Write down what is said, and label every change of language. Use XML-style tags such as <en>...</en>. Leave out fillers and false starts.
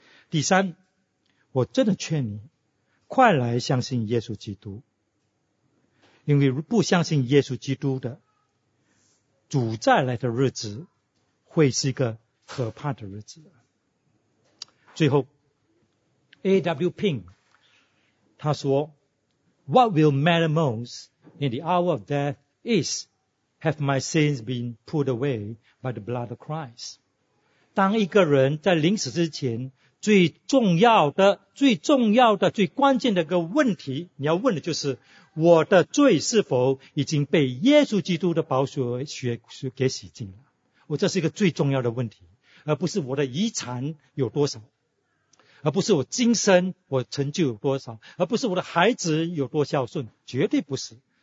<zh>第三，我真的劝你快来相信耶稣基督，因为不相信耶稣基督的，主再来的日子会是一个可怕的日子。最后 A.W.</zh> <en>Ping</en> <zh>他说，</zh> <en>What will matter most in the hour of death is have my sins been put away by the blood of Christ。</en> <zh>当一个人在临死之前，最重要的、最重要的、最关键的一个问题，你要问的就是：我的罪是否已经被耶稣基督的宝血给洗净了？我这是一个最重要的问题，而不是我的遗产有多少，而不是我今生我成就有多少，而不是我的孩子有多孝顺，绝对不是。</zh>